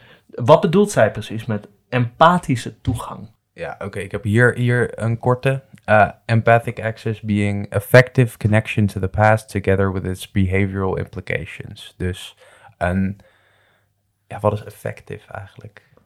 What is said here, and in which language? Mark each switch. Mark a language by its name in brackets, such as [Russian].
[Dutch] Wat bedoelt zij precies met empathische toegang? Ja, oké. Ik heb hier een korte. [English] Empathic access being effective connection to the past together with its behavioral implications. [Dutch] Dus een, wat is effective eigenlijk?